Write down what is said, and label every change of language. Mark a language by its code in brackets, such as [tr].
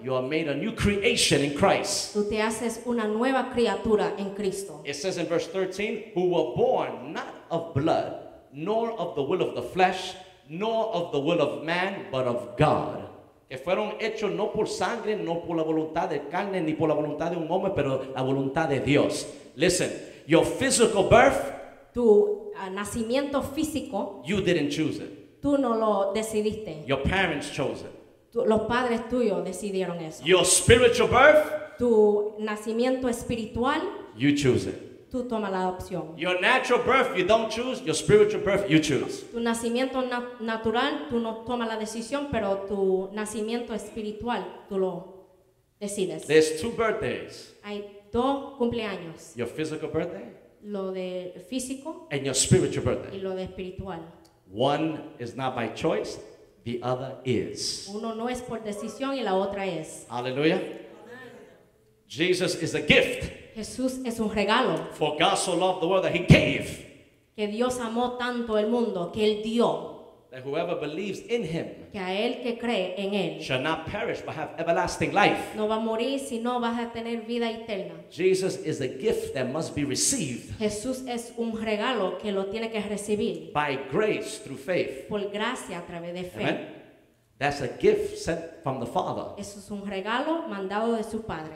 [en] You are made a new creation in Christ. [es] Tú te haces una nueva criatura en Cristo. [en] It says in verse 13, who were born not of blood, nor of the will of the flesh, nor of the will of man, but of God. [es] Que fueron hechos no por sangre, no por la voluntad de carne, ni por la voluntad de un hombre, pero la voluntad de Dios. [en] Listen. Your physical birth, [es] tu nacimiento físico, [en] you didn't choose it. [es] Tú no lo decidiste. [en] Your parents chose it. [es] Los padres tuyos decidieron eso. [en] Your spiritual birth, [es] tu nacimiento espiritual, [en] you choose it. [es] Tú toma la opción. [en] Your natural birth, you don't choose. Your spiritual birth, you choose. [es] Tu nacimiento natural, tú no toma la decisión, pero tu nacimiento espiritual, tú lo decides. [en] There's two birthdays. [es] Cumpleaños. [en] Your physical birthday, [es] lo de físico, [en] and your spiritual birthday, [es] y lo de espiritual. [en] One is not by choice, the other is. [es] Uno no es por decisión y la otra es. [en] Hallelujah. Jesus is a gift. [es] Jesús es un regalo. [en] For God so loved the world that he gave. [es] Que Dios amó tanto el mundo que él dio. [en] That whoever believes in him, [es] que a él que cree en él, [en] shall not perish but have everlasting life. [es] No va a morir, sino va a tener vida eterna. [en] Jesus is a gift that must be received. [es] Jesús es un regalo que lo tiene que recibir. [en] By grace through faith. [es] Por gracia a través de fe. [en] Amen. That's a gift sent from the Father. [es] Eso es un regalo mandado de su padre.